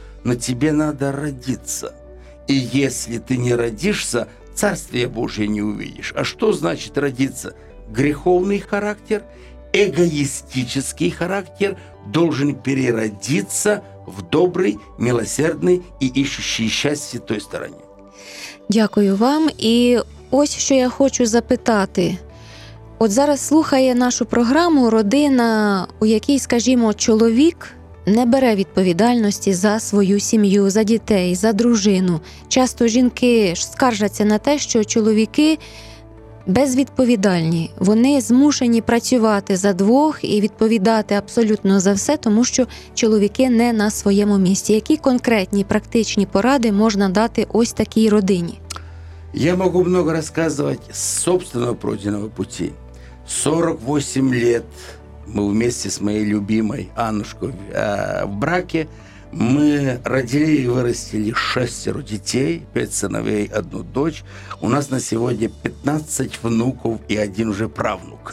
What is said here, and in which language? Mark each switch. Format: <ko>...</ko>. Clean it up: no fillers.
<ru>Но тебе надо родиться. И если ты не родишься, Царствие Божие не увидишь. А что значит родиться? Греховный характер, эгоистический характер должен переродиться в добрый, милосердный и ищущий счастье той стороне.</ru> <uk>Дякую вам.</uk> <ru>И</ru> <uk>ось що я хочу запитати. От зараз слухає нашу програму родина, у якій, скажімо, чоловік не бере відповідальності за свою сім'ю, за дітей, за дружину. Часто жінки скаржаться на те, що чоловіки безвідповідальні. Вони змушені працювати за двох і відповідати абсолютно за все, тому що чоловіки не на своєму місці. Які конкретні практичні поради можна дати ось такій родині? Я можу багато розказувати з</uk> <ru>собственного пройденого пути. 48 лет мы вместе с моей любимой Аннушкой в браке. Мы родили и вырастили 6 детей, 5 сыновей, 1 дочь. У нас на сегодня 15 внуков и 1 уже правнук.</ru>